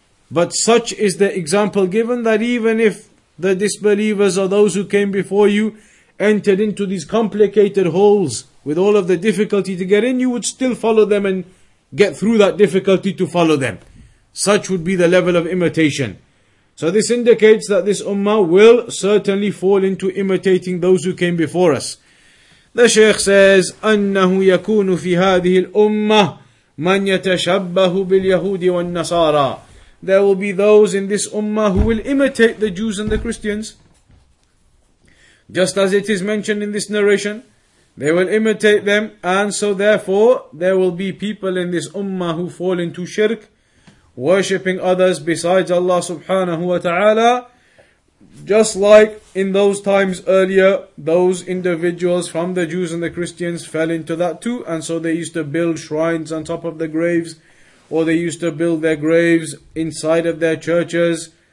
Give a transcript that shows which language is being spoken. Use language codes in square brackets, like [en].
[en] But such is the example given, that even if the disbelievers or those who came before you entered into these complicated holes with all of the difficulty to get in, you would still follow them and get through that difficulty to follow them. Such would be the level of imitation. So this indicates that this ummah will certainly fall into imitating those who came before us. The Shaykh says, [ar] أَنَّهُ يَكُونُ فِي هَذِهِ الْأُمَّةِ مَنْ يَتَشَبَّهُ بِالْيَهُودِ وَالنَّصَارَى. [en] There will be those in this ummah who will imitate the Jews and the Christians. Just as it is mentioned in this narration, they will imitate them, and so therefore there will be people in this ummah who fall into shirk, worshipping others besides Allah subhanahu wa ta'ala, just like in those times earlier, those individuals from the Jews and the Christians fell into that too, and so they used to build shrines on top of the graves, or they used to build their graves inside of their churches.